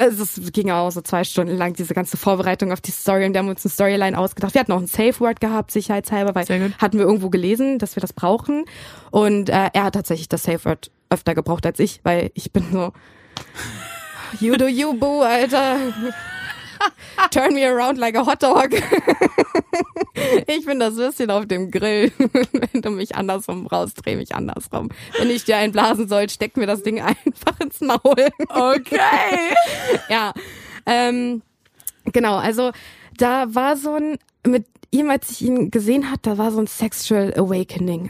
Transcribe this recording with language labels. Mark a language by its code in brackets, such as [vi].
[de] Also es ging auch so 2 Stunden lang, diese ganze Vorbereitung auf die Story. Und wir haben uns eine Storyline ausgedacht. Wir hatten auch ein Safe Word gehabt, sicherheitshalber, weil hatten wir irgendwo gelesen, dass wir das brauchen. Und er hat tatsächlich das Safe Word öfter gebraucht als ich, weil ich bin so, [en] you do you, boo, [de] Alter. [en] Turn me around like a hot dog. [de] Ich bin das Würstchen auf dem Grill. Wenn du mich andersrum brauchst, dreh mich andersrum. Wenn ich dir einblasen soll, steck mir das Ding einfach ins Maul. Okay. Ja. Genau, also da war so ein, mit ihm, als ich ihn gesehen hat, da war so ein Sexual Awakening.